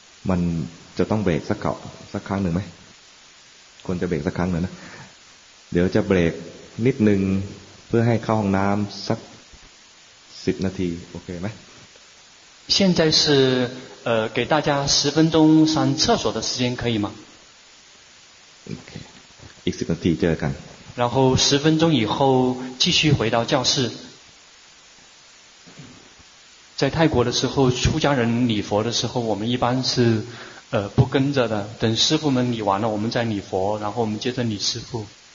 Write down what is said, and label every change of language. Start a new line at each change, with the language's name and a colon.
Thai: มันจะต้องเบรกสักครั้งหนึ่งไหมควรจะเบรกสักครั้งหนึ่งนะเดี๋ยวจะเบรกนิดนึงเพื่อให้เข้าห้องน้ำสัก10นาทีโอเคไหม
Chinese: 现在是给大家十分钟上厕所的时间可以吗
Thai: okay. อีก10นาทีเจอกัน
Chinese: 然后十分钟以后继续回到教室在泰国的时候出家人礼佛的时候我们一般是不跟着的等师父们礼完了我们再礼佛然后我们接着礼师父